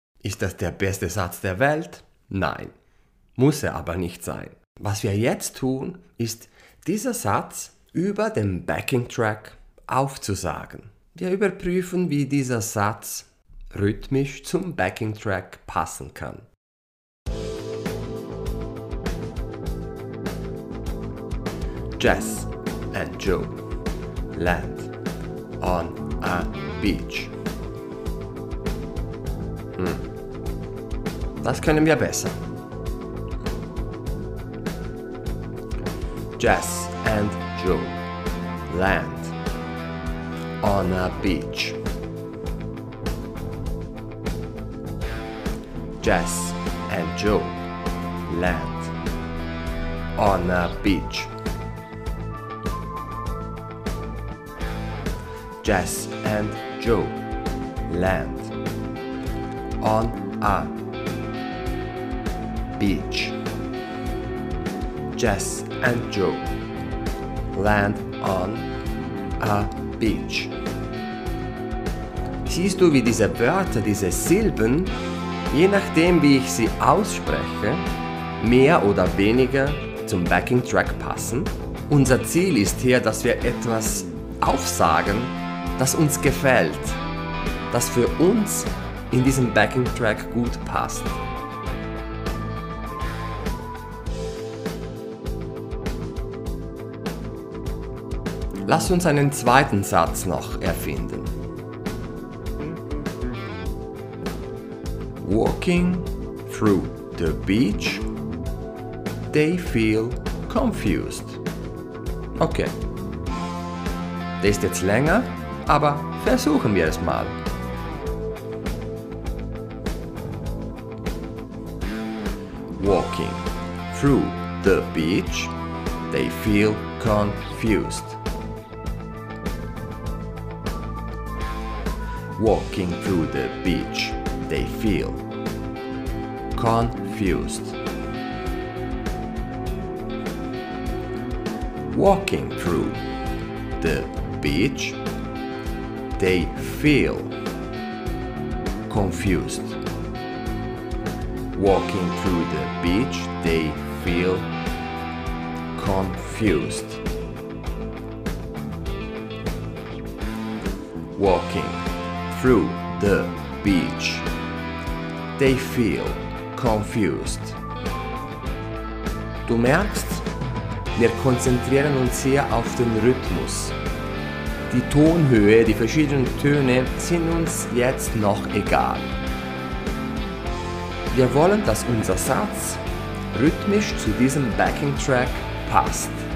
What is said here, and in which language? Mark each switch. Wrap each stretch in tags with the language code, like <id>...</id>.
<de>Ist das der beste Satz der Welt? Nein, muss er aber nicht sein. Was wir jetzt tun, ist, dieser Satz über den Backing Track aufzusagen. Wir überprüfen, wie dieser Satz rhythmisch zum Backing Track passen kann.</de> <en>Jess and Joe land on a beach.</en> <de>Das können wir besser.</de> <en>Jess and Joe land on a beach. Jess and Joe land on a beach. Jess and Joe land on a beach. Jess and Joe land on a beach.</en> <de>Siehst du, wie diese Wörter, diese Silben, je nachdem, wie ich sie ausspreche, mehr oder weniger zum Backing Track passen? Unser Ziel ist hier, dass wir etwas aufsagen, das uns gefällt, das für uns in diesem Backing Track gut passt. Lass uns einen zweiten Satz noch erfinden.</de> <en>Walking through the beach, they feel confused. Okay.</en> <de>Der ist jetzt länger, aber versuchen wir es mal.</de> <en>Walking through the beach, they feel confused. Walking through the beach, they feel confused. Walking through the beach, they feel confused. Walking through the beach, they feel confused. Walking through the beach, they feel confused.</en> <de>Du merkst, wir konzentrieren uns hier auf den Rhythmus. Die Tonhöhe, die verschiedenen Töne sind uns jetzt noch egal. Wir wollen, dass unser Satz rhythmisch zu diesem Backing Track passt.</de>